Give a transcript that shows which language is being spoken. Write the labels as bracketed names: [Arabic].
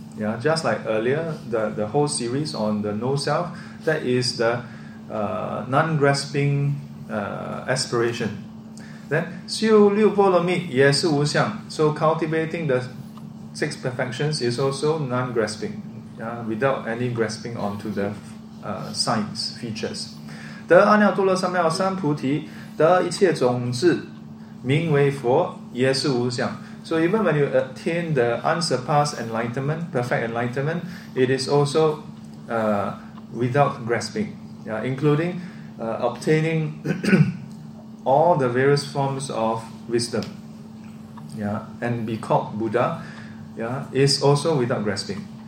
[English] Yeah, just like earlier, the whole series on the no self, that is the non-grasping aspiration. [Chinese] Then 修六波罗蜜 也是无相. [English] So cultivating the six perfections is also non-grasping, yeah, without any grasping onto the signs, features. [Chinese] 得阿耨多罗三藐三菩提, 得一切种子名为佛也是无相. [English] So even when you attain the unsurpassed enlightenment, perfect enlightenment, it is also without grasping, yeah, including obtaining all the various forms of wisdom, yeah, and be called Buddha, yeah, is also without grasping.